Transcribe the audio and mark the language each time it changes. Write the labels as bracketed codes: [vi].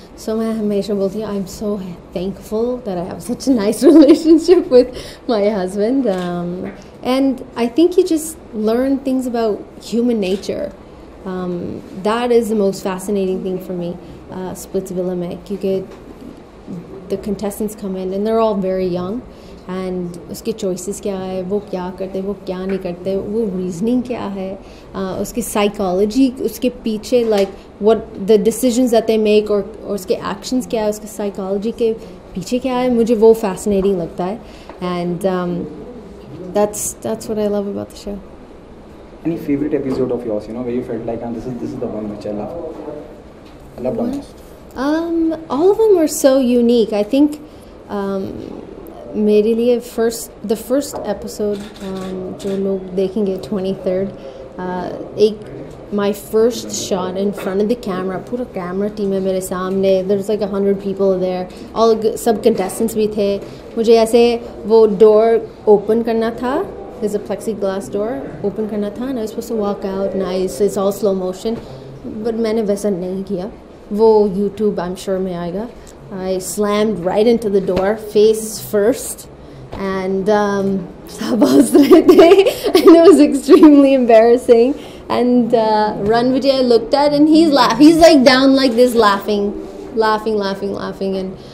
[en] So I'm so thankful that I have such a nice relationship with my husband, and I think you just learn things about human nature. That is the most fascinating thing for me, Splitsvilla में. You get the contestants come in and they're all very young. [hi] And उसके choices क्या है, वो क्या करते, वो क्या नहीं करते, वो reasoning क्या है, उसके psychology, उसके पीछे, [en] like what the decisions that they make, [hi] or उसके actions क्या है, उसके psychology के पीछे क्या है, मुझे वो fascinating लगता है. [en] And that's what I love about the show. Any favorite episode of yours, you know, where you felt like, and this is the one which I love? All of them were so unique. I think [hi] मेरे लिए [en] the first episode [hi] जो लोग देखेंगे [en] 23rd, my first shot in front of the camera, [hi] पूरा camera team है मेरे सामने, [en] there's like 100 people there, all [hi] सब contestants भी थे, मुझे ऐसे वो door open करना था, [en] there's a plexiglass door [hi] open करना था, [en] and I was supposed to walk out nice, it's all slow motion, but [hi] मैंने वैसा नहीं किया. वो YouTube [en] I'm sure [hi] में आएगा. [en] I slammed right into the door, face first, and and it was extremely embarrassing. And Ranvijay looked at, and he's like down like this, laughing.